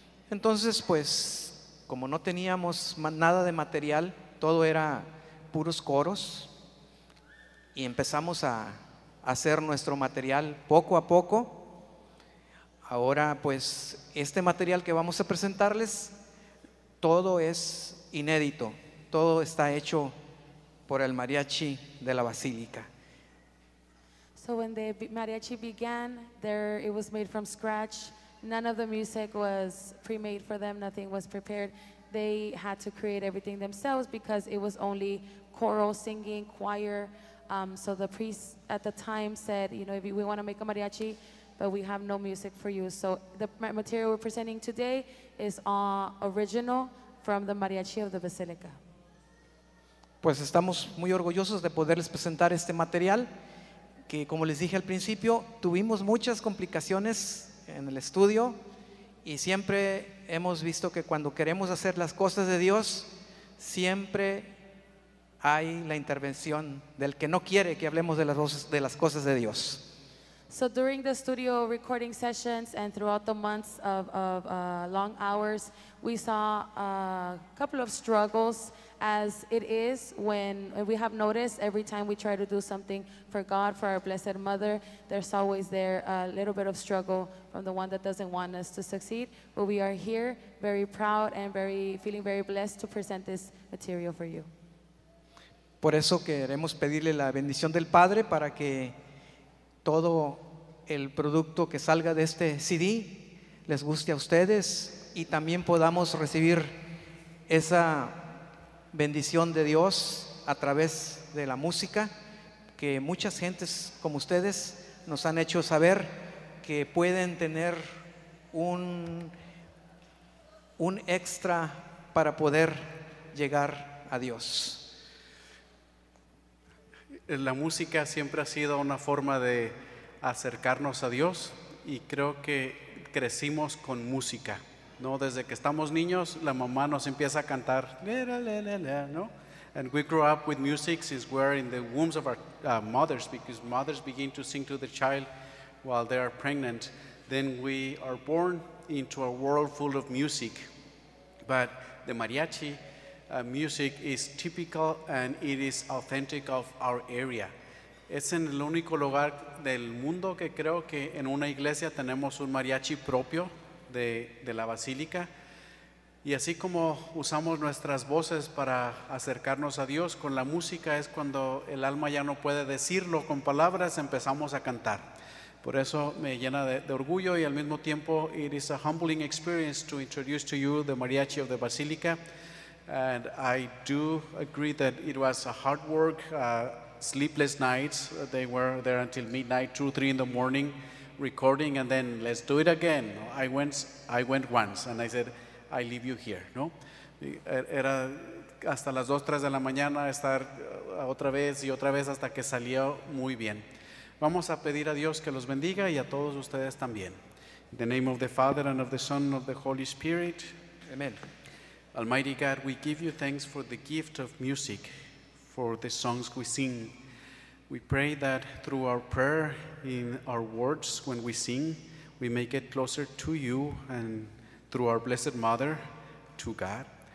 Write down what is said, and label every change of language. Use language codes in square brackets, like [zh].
[es] Entonces, pues, como no teníamos nada de material, todo era puros coros, y empezamos a hacer nuestro material poco a poco. Ahora, pues, este material que vamos a presentarles, todo es inédito, todo está hecho por el mariachi de la Basílica. [en] So when the mariachi began, there it was made from scratch. None of the music was pre-made for them, nothing was prepared. They had to create everything themselves because it was only choral singing, choir. So the priest at the time said, you know, if we want to make a mariachi, but we have no music for you. So the material we're presenting today is original from the mariachi of the Basilica. [es] Pues estamos muy orgullosos de poderles presentar este material que, como les dije al principio, tuvimos muchas complicaciones en el estudio. Y siempre hemos visto que cuando queremos hacer las cosas de Dios, siempre hay la intervención del que no quiere que hablemos de las cosas de Dios. [en] So during the studio recording sessions and throughout the months of long hours, we saw a couple of struggles, as it is when we have noticed every time we try to do something for God, for our Blessed Mother, there's always there a little bit of struggle from the one that doesn't want us to succeed. But we are here very proud and feeling very blessed to present this material for you. [es] Por eso queremos pedirle la bendición del Padre para que todo el producto que salga de este CD les guste a ustedes y también podamos recibir esa bendición de Dios a través de la música, que muchas gentes como ustedes nos han hecho saber que pueden tener un extra para poder llegar a Dios. La música siempre ha sido una forma de acercarnos a Dios y creo que crecimos con música, ¿no? Desde que estamos niños, la mamá nos empieza a cantar, ¿no? [en] And we grew up with music since we are in the wombs of our mothers, because mothers begin to sing to the child while they are pregnant. Then we are born into a world full of music. But the mariachi music is typical and it is authentic of our area. [es] Es en el único lugar del mundo que creo que en una iglesia tenemos un mariachi propio de la basílica. Y así como usamos nuestras voces para acercarnos a Dios, con la música es cuando el alma ya no puede decirlo con palabras, empezamos a cantar. Por eso me llena de orgullo y al mismo tiempo [en] it is a humbling experience to introduce to you the mariachi of the Basilica. And I do agree that it was a hard work, sleepless nights. They were there until midnight, 2-3 in the morning, recording, and then let's do it again. I went once and I said, I leave you here, [es] ¿no? Era hasta las 2-3 de la mañana estar otra vez y otra vez hasta que salió muy bien. Vamos a pedir a Dios que los bendiga y a todos ustedes también. [en] In the name of the Father and of the Son and of the Holy Spirit. Amen. Almighty God, we give you thanks for the gift of music, for the songs we sing. We pray that through our prayer, in our words when we sing, we may get closer to you and through our Blessed Mother, to God.